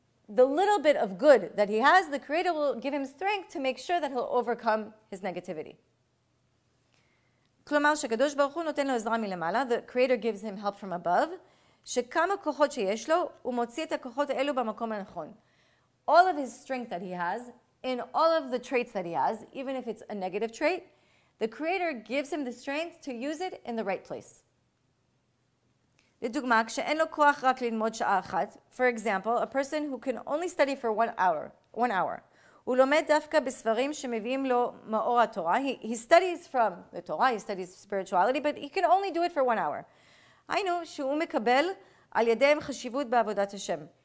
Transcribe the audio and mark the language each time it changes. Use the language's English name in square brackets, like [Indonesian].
[English] The little bit of good that he has, the creator will give him strength to make sure that he'll overcome his negativity. [Hebrew] כלומר, שקדוש ברוך הוא נותן לו עזרה מלמעלה, [English] the creator gives him help from above, [Hebrew] שכמה כוחות שיש לו, הוא מוציא את הכוחות האלו במקום הנכון. [English] All of his strength that he has, in all of the traits that he has, even if it's a negative trait, the creator gives him the strength to use it in the right place. [Hebrew] לדוגמה, כשאין לו כוח רק ללמוד שעה אחת, [English] for example, a person who can only study for one hour, [Hebrew] הוא לומד דווקא בספרים שמביאים לו מאור התורה, [English] he studies from the Torah, he studies spirituality, but he can only do it for 1 hour. [Hebrew] היינו שהוא מקבל על ידיהם חשיבות בעבודת השם.